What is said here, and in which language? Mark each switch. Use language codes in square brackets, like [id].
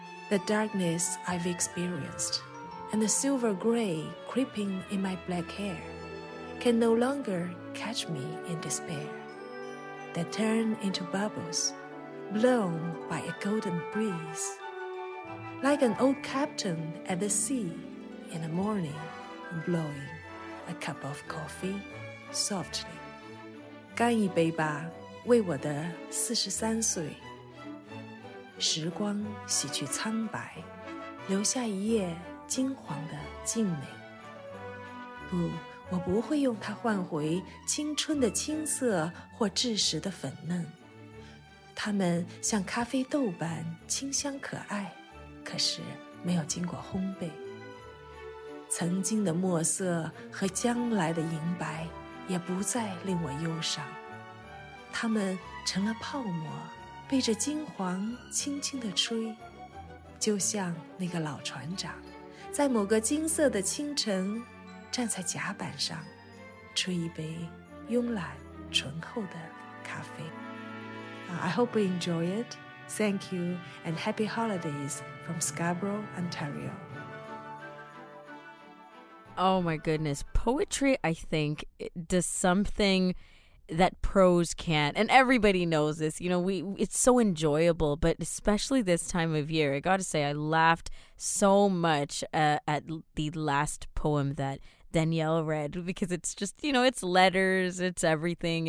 [en] The darkness I've experienced, and the silver gray creeping in my black hair, can no longer catch me in despair. They turn into bubbles, blown by a golden breeze, like an old captain at the sea in the morning, blowing a cup of coffee softly. [zh] 干一杯吧, 为我的43岁, 时光洗去苍白, 留下一夜金黄的静美。不, 我不会用它换回青春的青涩或稚实的粉嫩。它们像咖啡豆般清香可爱, 可是没有经过烘焙。曾经的墨色和将来的银白, 也不再令我忧伤。它们成了泡沫, 被着金黄轻轻地吹, 就像那个老船长, 在某个金色的清晨, 站在甲板上, 吹一杯慵懒醇厚的咖啡。 [en] I hope you enjoy it. Thank you, and happy holidays from Scarborough, Ontario. Oh my goodness. Poetry, I think, does something that prose can't. And everybody knows this. You know, it's so enjoyable, but especially this time of year, I got to say, I laughed so much at the last poem that Danielle read, because it's just, you know, it's letters, it's everything.